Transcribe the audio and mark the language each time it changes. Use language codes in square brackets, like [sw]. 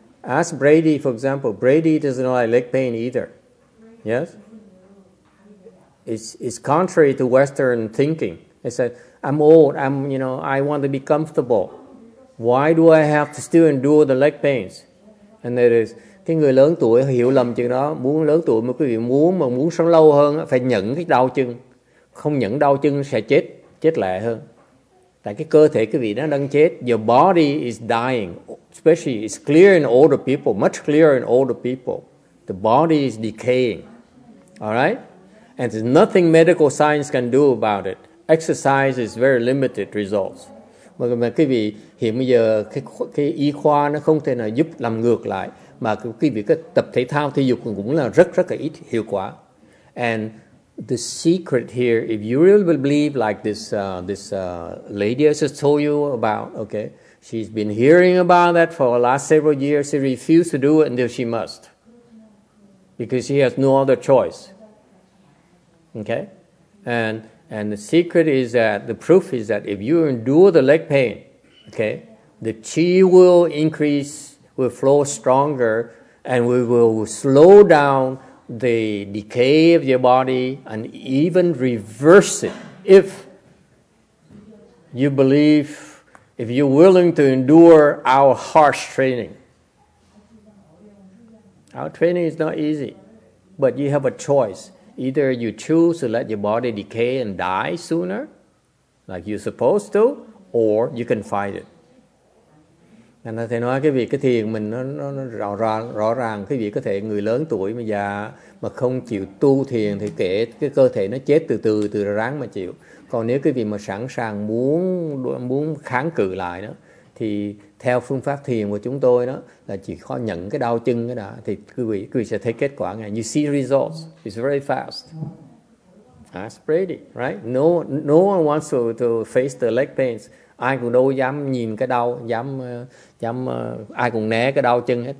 [en] Ask Brady, for example. Brady doesn't like leg pain either. Yes? It's contrary to Western thinking. He said, I'm old, I want to be comfortable. Why do I have to still endure the leg pains? And that is, [vi] cái người lớn tuổi hiểu lầm chuyện đó, muốn lớn tuổi mà quý vị muốn mà muốn sống lâu hơn phải nhận cái đau chân. Không nhận đau chân sẽ chết lẹ hơn. Tại cái cơ thể quý vị nó đang chết. [en] Your body is dying, especially it's clear in older people, much clearer in older people. The body is decaying. All right? And there's nothing medical science can do about it. Exercise is very limited results. [vi] Mà quý vị hiện bây giờ cái y khoa nó không thể nào giúp làm ngược lại. Mà quý vị cái tập thể thao thể dục cũng là rất rất là ít hiệu quả. [en] And the secret here, if you really believe like this lady I just told you about, okay, she's been hearing about that for the last several years. She refused to do it until she must, because she has no other choice. Okay, and the secret is that the proof is that if you endure the leg pain, okay, the qi will increase, will flow stronger, and we will slow down the decay of your body and even reverse it. If you believe, if you're willing to endure our harsh training. Our training is not easy, but you have a choice. Either you choose to let your body decay and die sooner, like you're supposed to, or you can fight it. [vi] Nên thầy nói cái việc cái thiền mình nó rõ ràng cái việc có thể người lớn tuổi mà già mà không chịu tu thiền thì kể cái cơ thể nó chết từ từ ráng mà chịu. Còn nếu cái việc mà sẵn sàng muốn kháng cự lại đó thì theo phương pháp thiền của chúng tôi đó là chỉ khó nhận cái đau chân cái đã thì quý vị sẽ thấy kết quả ngay. [en] You see results, it's very fast. That's pretty, right? No one wants to face the leg pains. [vi] Ai cũng đâu dám nhìn cái đau, dám ai cũng né cái đau chân hết.